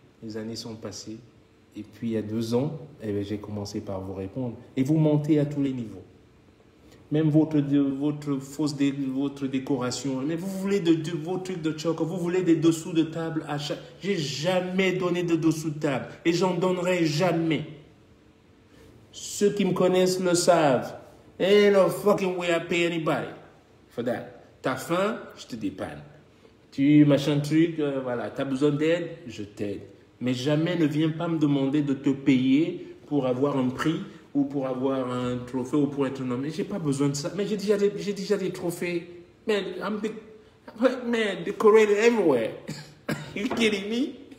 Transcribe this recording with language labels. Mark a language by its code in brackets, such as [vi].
[fr] Les années sont passées, et puis il y a 2 ans, eh bien, j'ai commencé par vous répondre. Et vous montez à tous les niveaux. Même votre fausse votre décoration, mais vous voulez de vos trucs de choc, vous voulez des dessous de table à chaque. J'ai jamais donné de dessous de table, et j'en donnerai jamais. Ceux qui me connaissent le savent. [en] Ain't no fucking way I pay anybody for that. [fr] T'as faim, je te dépanne. Tu machin truc, voilà, t'as besoin d'aide, je t'aide. Mais jamais ne viens pas me demander de te payer pour avoir un prix ou pour avoir un trophée ou pour être nommé. J'ai pas besoin de ça. Mais j'ai déjà des trophées. [en] Man, I'm the man decorated everywhere. You kidding me?